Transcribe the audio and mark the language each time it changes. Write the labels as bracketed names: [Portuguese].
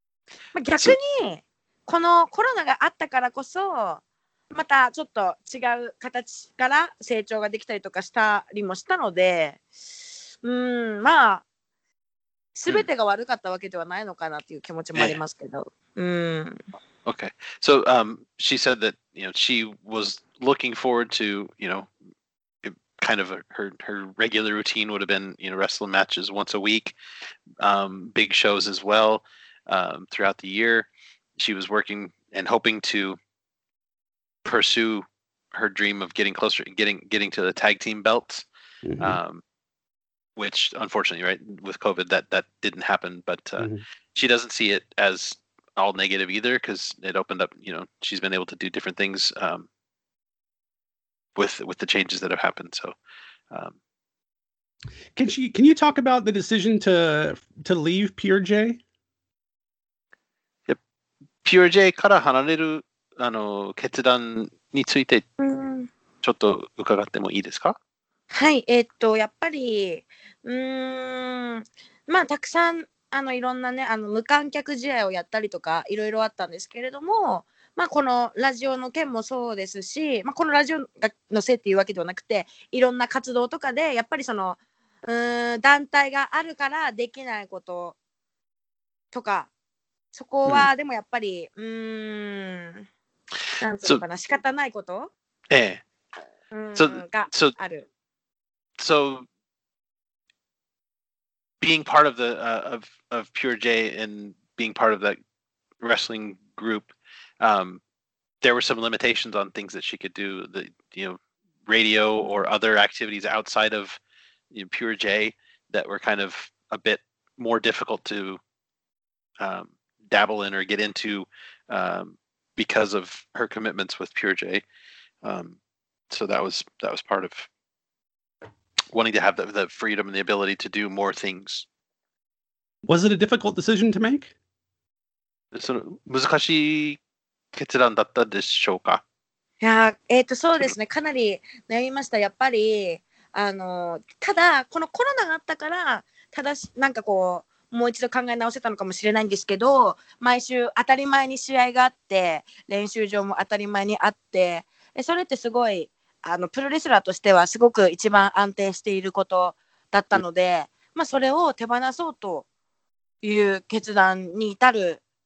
[Japanese] うんまあ、逆にこのコロナがあったからこそまたちょっと違う形から成長ができたりとかしたりもしたのでまあ全てが悪かったわけではないのかなという気持ちもありますけど。 [English] Okay. So, she said that, you know, she was looking forward to, you know, kind of a, her regular routine would have been, you know, wrestling matches once a week, big shows as well, throughout the year. She was working and hoping to pursue her dream of getting closer, getting to the tag team belts, which unfortunately, right, with COVID, that didn't happen. But she doesn't see it as all negative either, because it opened up, you know, she's been able to do different things with the changes that have happened. So can you talk about the decision to leave Pure J? Yep. [Japanese] Pure J から離れるあの決断についてちょっと伺ってもいいですか？はい、やっぱり、まあたくさんあのいろんなね、あの無観客試合をやったりとかいろいろあったんですけれども、まあこのラジオの件もそうですし、まあこのラジオのせいっていうわけではなくて、いろんな活動とかでやっぱりその団体があるからできないこととか、そこはでもやっぱり、なんていうのかな、仕方ないこと、ええ、がある。 [English] So being part of the of Pure J and being part of that wrestling group, there were some limitations on things that she could do, the you know, radio or other activities outside of, you know, Pure J that were kind of a bit more difficult to dabble in or get into because of her commitments with Pure J. So that was part of wanting to have the freedom and the ability to do more things. Was it a difficult decision to make? [Japanese] その難しい決断だったでしょうか？いや、そうですね。かなり悩みました。やっぱり、ただ、このコロナがあったから、ただし、なんかこう、もう一度考え直せたのかもしれないんですけど、毎週当たり前に試合があって、練習場も当たり前にあって、それってすごい、あのプロレスラーとしてはすごく一番安定していることだったので、まあ、それを手放そうという決断に至る